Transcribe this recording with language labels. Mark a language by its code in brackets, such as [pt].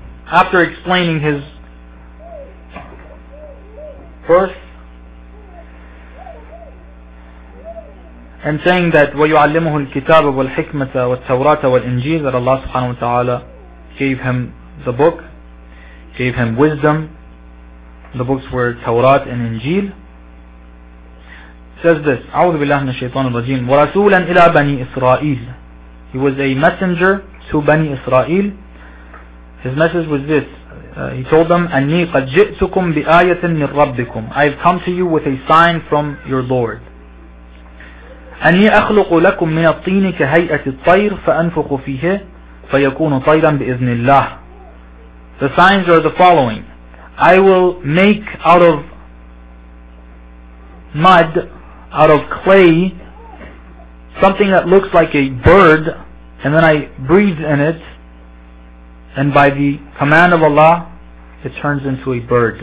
[en] After explaining his birth and saying that [ar] وَيُعَلِّمُهُ الْكِتَابَ وَالْحِكْمَةَ وَالتَّوْرَاةَ وَالْإِنْجِيلَ, [en] that Allah subhanahu wa ta'ala gave him the book, gave him wisdom. The books were Tawrat and Injil. It says this, [ar] أعوذ بالله من الشيطان الرجيم. ورسولا إلى بني إسرائيل. [en] He was a messenger to Bani Israel. His message was this. He told them, [ar] أني قد جئتكم بآية من ربكم. [en] I have come to you with a sign from your Lord. [ar] أني أخلق لكم من الطين كهيئة الطير فأنفق فيه فَيَكُونُ طَيْرًا بِإِذْنِ اللَّهِ. [en] The signs are the following. I will make out of mud, out of clay, something that looks like a bird, and then I breathe in it, and by the command of Allah, it turns into a bird.